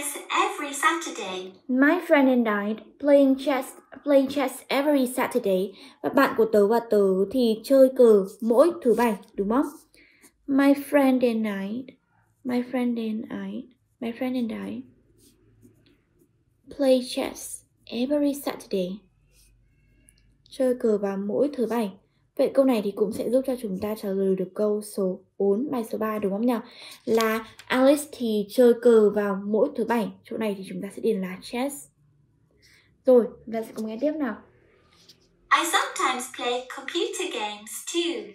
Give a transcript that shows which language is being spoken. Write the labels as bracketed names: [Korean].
[English] My friend and I play chess every Saturday. My friend and I playing chess every Saturday. [Vietnamese] Và bạn của tớ và tớ thì chơi cờ mỗi thứ bảy, đúng không? [English] My friend and I play chess every Saturday. [Vietnamese] Chơi cờ vào mỗi thứ bảy. Vậy câu này thì cũng sẽ giúp cho chúng ta trả lời được câu số 4, bài số 3 đúng không nhỉ? Là Alice thì chơi cờ vào mỗi thứ bảy. Chỗ này thì chúng ta sẽ điền là chess. Rồi, và sẽ cùng nghe tiếp nào. [English] I sometimes play computer games too.